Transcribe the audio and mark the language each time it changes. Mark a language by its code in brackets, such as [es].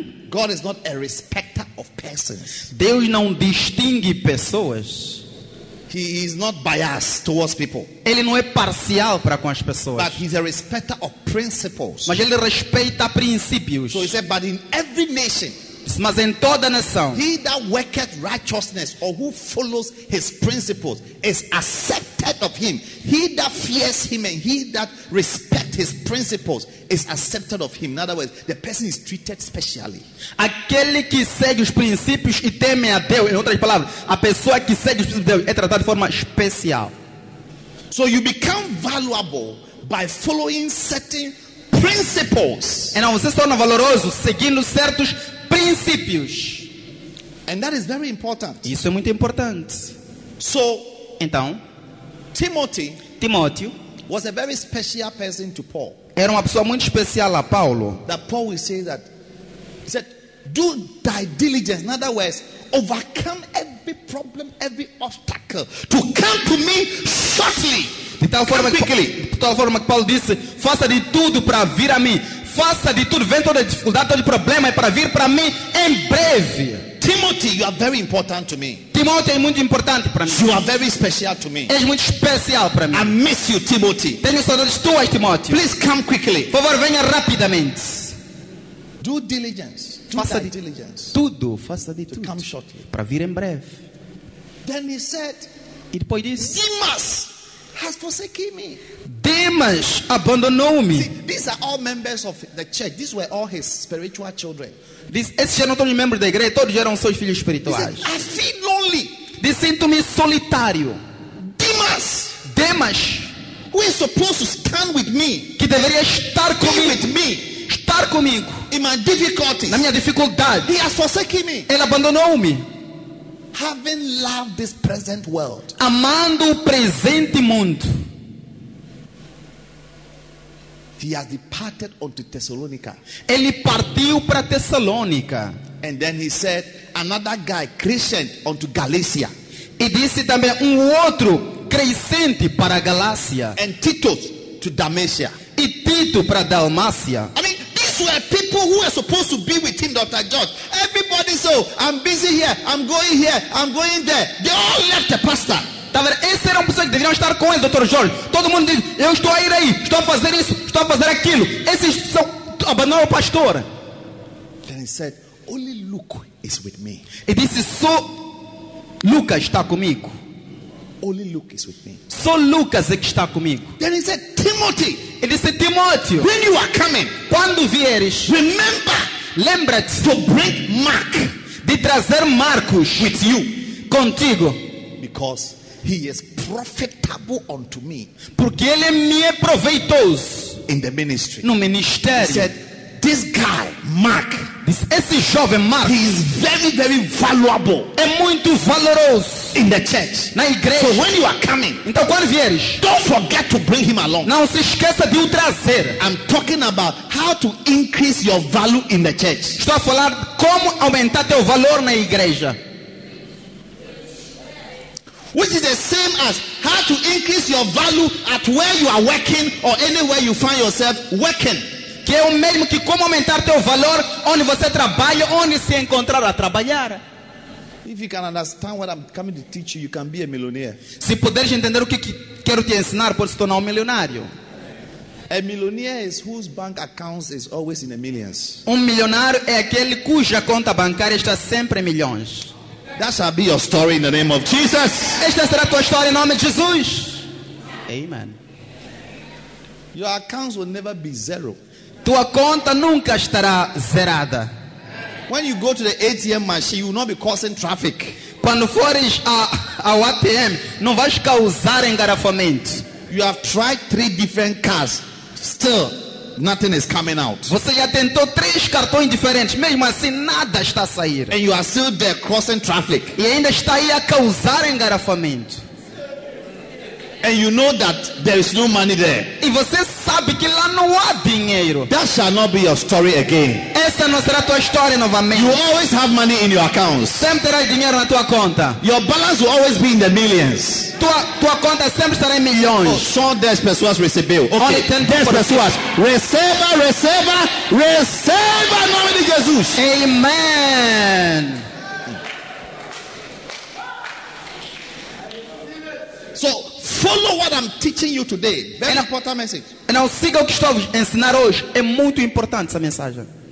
[en] God is not a respecter of persons. [pt] Deus não distingue pessoas. [en] He is not biased towards people. [pt] Ele não é parcial para com as pessoas. [en] But he's a respecter of principles. [pt] Mas ele respeita princípios. [en] So he said, but in every nation, [pt] mas em toda nação, [en] he that worketh righteousness or who follows his principles is accepted of him. He that fears him and he that respects his principles is accepted of him. In other words, the person is treated specially. [pt] Aquele que segue os princípios e teme a Deus, em outras palavras, a pessoa que segue os princípios de Deus é tratada de forma especial. [en] So you become valuable by following certain principles. [pt] Então você se torna valoroso seguindo certos princípios. [en] And that is very important. [pt] Isso é muito importante. [en] So, [pt] então, [en] Timóteo was a very special person to Paul. [pt] Era uma pessoa muito especial a Paulo. [en] That Paul would say that he said, do thy diligence, in other words, overcome every problem, every obstacle to come to me shortly. [pt] De tal forma que Paulo disse, faça de tudo para vir a mim. Faça de tudo, vem toda dificuldade, todo problema, é para vir para mim em breve. [en] Timothy, you are very important to me. [pt] Timothy é muito importante para mim. [en] You are very special to me. [pt] És muito especial para mim. [en] I miss you, Timothy. [pt] Tenho saudades tuas, Timothy. [en] Please come quickly. [pt] Por favor, venha rapidamente. [en] Do diligence. [pt] Faça de diligence. Tudo, faça de tudo. [en] To come shortly. [pt] Para vir em breve. [en] Then he said, [pt] e depois disse, [en] Demas has forsaken me. [pt] Demas abandonou me. [en] These are all members of the church. These were all his spiritual children. [pt] Esses eram todos membros da igreja. Todos eram seus filhos espirituais. [en] I feel lonely. [pt] Sinto-me solitário. [en] Demas, who is supposed to stand with me? [pt] Que deveria estar comigo. [en] With me. [pt] Estar comigo. [en] In my difficulties. [pt] Na minha dificuldade. [en] He has forsaken me. [pt] Ele abandonou me. [en] Having loved this present world. [pt] Amando o presente mundo. [en] He has departed unto Thessalonica. [pt] Ele partiu para Tessalônica. [en] And then he said, another guy, Christian, unto Galatia. [pt] E disse também outro crescente para Galácia. [en] And Tito to Dalmatia. [pt] E Tito para Dalmácia. [en] I mean, these were people who were supposed to be with him, Dr. George. Everybody said, I'm busy here, I'm going there. They all left the pastor. [pt] Tá vendo? Esses eram pessoas que deveriam estar com ele, Dr. Jorge. Todo mundo diz, eu estou a ir aí, estou a fazer isso, estou a fazer aquilo. Esses são, abandonaram o pastor. [en] Then he said, only Luke is with me. [pt] E disse, só Lucas está comigo. [en] Only Luke is with me. [pt] Só Lucas é que está comigo. [en] Then he said, Timothy. [pt] E disse, Timóteo. [en] When you are coming. [pt] Quando vieres. [en] Remember. [pt] Lembra-te. [en] To bring Mark. [pt] De trazer Marcos. [en] With you. [pt] Contigo. [en] Because he is profitable unto me. [pt] Porque ele me é proveitoso. [en] In the ministry. [pt] No ministério. [en] He said, this guy, Mark. [pt] Esse jovem Mark. [en] He is very, very valuable. [pt] É muito valoroso. [en] In the church. [pt] Na igreja. [en] So when you are coming. [pt] Então quando vieres. [en] Don't forget to bring him along. [pt] Não se esqueça de o trazer. [en] I'm talking about how to increase your value in the church. [pt] Estou a falar como aumentar teu valor na igreja. [en] Which is the same as how to increase your value at where you are working or anywhere you find yourself working. [pt] Que é o mesmo que como aumentar teu valor onde você trabalha, onde se encontrar a trabalhar. [en] If you can understand what I'm coming to teach you, you can be a millionaire. [pt] Se puderes entender o que quero te ensinar, pode se tornar milionário. [en] A millionaire is whose bank account is always in the millions. [pt] Milionário é aquele cuja conta bancária está sempre em milhões. [en] That shall be your story in the name of Jesus. [pt] Esta será tua história em nome de Jesus. [en] Amen. Your accounts will never be zero. [pt] Tua conta nunca estará zerada. [en] When you go to the ATM machine, you will not be causing traffic. [pt] Quando fores ao ATM, não vais causar engarrafamento. [en] You have tried 3 different cards. Still, nothing is coming out. [pt] Você já tentou 3 cartões diferentes, mesmo assim nada está a sair. [en] And you are still there crossing traffic. [pt] E ainda está aí a causar engarrafamento. [en] And you know that there is no money there. [pt] E você sabe que lá não há dinheiro. [en] That shall not be your story again. [pt] Essa não será tua história novamente. [en] You always have money in your accounts. [pt] Sempre terás dinheiro na tua conta. [en] Your balance will always be in the millions. [pt] Tua conta sempre estará em milhões. Oh, só 10 pessoas recebeu. Okay. 10 pessoas. Receba, receba, receba em nome de Jesus. [en] Amen. So, follow what I'm teaching you today. Very important message. And now, [pt] siga o que estou a ensinar hoje. É muito importante essa mensagem.